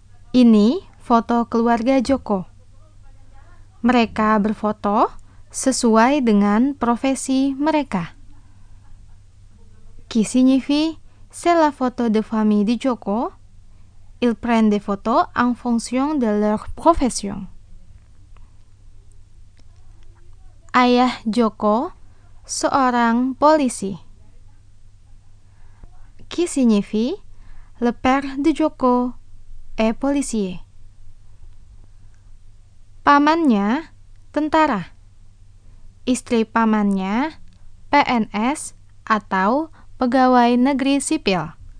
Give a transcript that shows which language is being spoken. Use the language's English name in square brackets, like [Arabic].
[Indonesian] Ini foto keluarga Joko. Mereka berfoto sesuai dengan profesi mereka. [French] Qui signifie c'est la photo de famille de Joko. Ils prennent des photos en fonction de leur profession. [Indonesian] Ayah Joko seorang polisi. [French] Qui signifie le père de Joko est policier. [Indonesian] Pamannya tentara. Istri pamannya PNS atau pegawai negeri sipil.